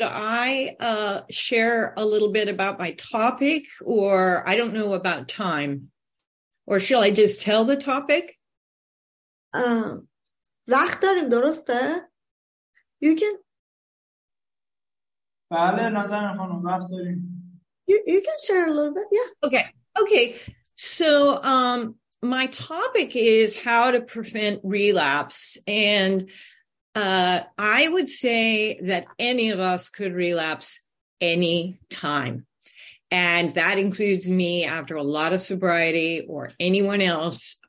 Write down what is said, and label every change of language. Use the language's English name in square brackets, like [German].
[English] Nazanin, should I share a little bit about my topic, or I don't know about time, or shall I just tell the topic? [Persian] وقت داریم درسته؟ [English] You can. [Persian] بله نازنین خانم وقت داریم. [English] You can share a little bit, yeah. Okay. So. My topic is how to prevent relapse, and I would say that any of us could relapse any time, and that includes me after a lot of sobriety or anyone else.